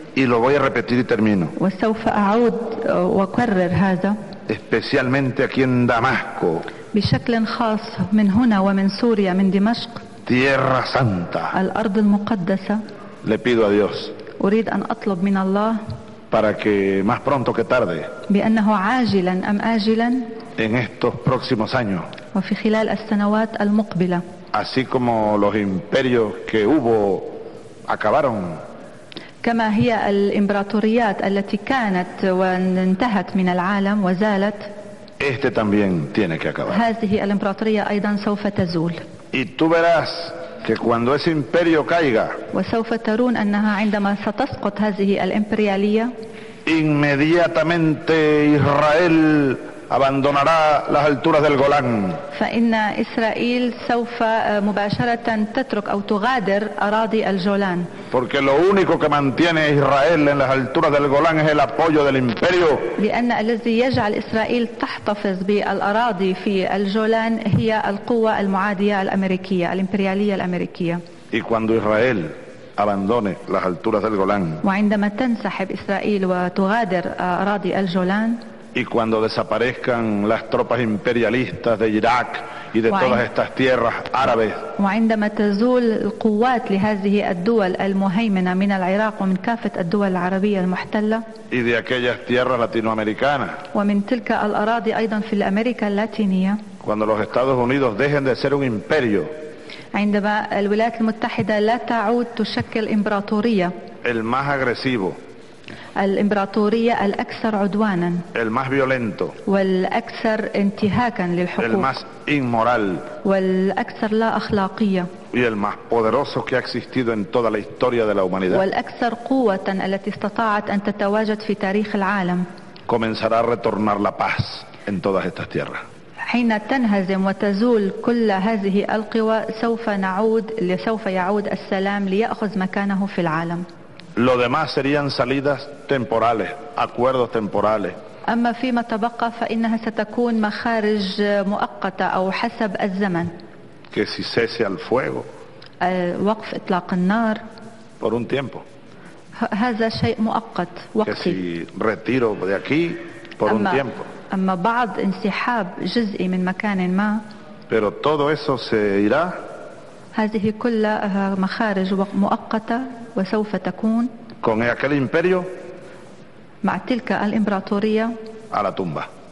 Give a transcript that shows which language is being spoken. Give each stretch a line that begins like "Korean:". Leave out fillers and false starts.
Spanish: Y lo voy a repetir y termino.
Arabic: وسوف أعود وأكرر هذا.
Spanish: Especialmente aquí en Damasco.
Arabic: بشكل خاص من هنا ومن سوريا من دمشق.
Spanish: Tierra Santa.
Arabic: الأرض المقدسة.
Spanish: Le pido a Dios.
Arabic: أريد أن أطلب من الله.
Spanish: Para que más pronto que tarde.
Arabic: بأنه عاجلا أم آجلا.
Spanish: En estos próximos años.
Arabic: وفي خلال السنوات المقبلة.
Spanish: Así como los imperios que hubo acabaron.
Arabic: كما هي الإمبراطوريات التي كانت وانتهت من العالم وزالت
Spanish: este también tiene que acabar.
Arabic: هذه الإمبراطورية أيضا سوف تزول
Spanish: y tú verás que cuando ese imperio caiga,
Arabic: وسوف ترون أنها عندما ستسقط هذه الإمبريالية
Spanish: inmediatamente Israel abandonará las alturas del Golán.
Arabic: فإن إسرائيل سوف مباشرة تترك أو تغادر أراضي الجولان.
Spanish: Porque lo único que mantiene Israel en las alturas del Golán es el apoyo del imperio.
Arabic: لأن الذي يجعل إسرائيل تحتفظ بالأراضي في الجولان هي القوة المعادية الأمريكية الإمبريالية الأمريكية.
Spanish: Y cuando Israel abandone las alturas del Golán.
Arabic: وعندما تنسحب إسرائيل وتغادر أراضي الجولان.
Spanish: Y cuando desaparezcan las tropas imperialistas de Irak y de todas estas tierras árabes.
Arabic: وعندما تزول القوات لهذه الدول المهيمنة من العراق ومن كافة الدول العربية المحتلة.
Spanish: Y de aquellas tierras latinoamericanas.
Arabic: ومن تلك الأراضي أيضا في الأمريكا اللاتينية.
Spanish: Cuando los Estados Unidos dejen de ser un imperio.
Arabic: عندما الولايات المتحدة لا تعود تشكل إمبراطورية.
Spanish: El más agresivo.
Arabic: الإمبراطورية الأكثر عدوانا
Spanish: el más violento,
Arabic: والأكثر انتهاكا للحقوق
Spanish: el más inmoral,
Arabic: والأكثر لا أخلاقية
Spanish: y el más poderoso que ha existido en toda la historia de la humanidad,
Arabic: والأكثر قوة التي استطاعت أن تتواجد في تاريخ العالم
Spanish: comenzará a retornar la paz en todas estas tierras.
Arabic: حين تنهزم وتزول كل هذه القوى سوف يعود السلام ليأخذ مكانه في العالم.
Spanish: Lo demás serían salidas temporales, acuerdos temporales.
Arabic: أما فيما تبقى فإنها ستكون مخارج مؤقتة أو حسب الزمن.
Spanish: Que si cese al fuego.
Arabic: وقف إطلاق النار.
Spanish: Por un tiempo.
Arabic: هذا شيء مؤقت وقتي.
Spanish: Que si retiro de aquí por un tiempo.
Arabic: أما بعض انسحاب جزئي من مكان ما.
Spanish: Pero todo eso se irá.
Arabic: هذه كلها مخارج مؤقتة وسوف تكون
Spanish: con aquel imperio
Arabic: مع تلك الإمبراطورية
Spanish: a la tumba.